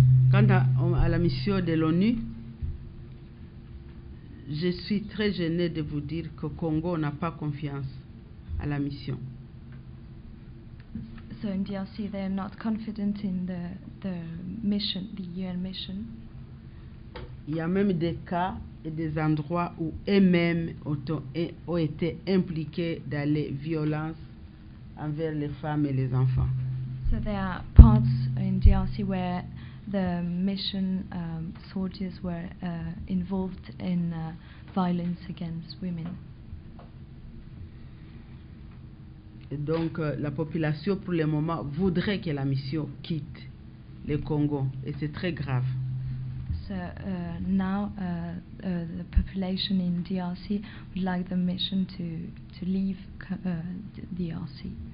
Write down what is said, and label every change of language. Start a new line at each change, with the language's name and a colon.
French: Quant à la mission de l'ONU, je suis très gênée de vous dire que Congo n'a pas confiance à la mission.
English: also in DRC they are not confident in the mission, the UN mission.
French: Il y a même des cas et des endroits où eux-mêmes ont été impliqués dans les violences envers les femmes et les enfants.
English: So there are parts in DRC where the mission soldiers were involved in violence against women.
French: Et donc la population pour le moment voudrait que la mission quitte le Congo et c'est très grave.
English: So now the population in DRC would like the mission to leave DRC.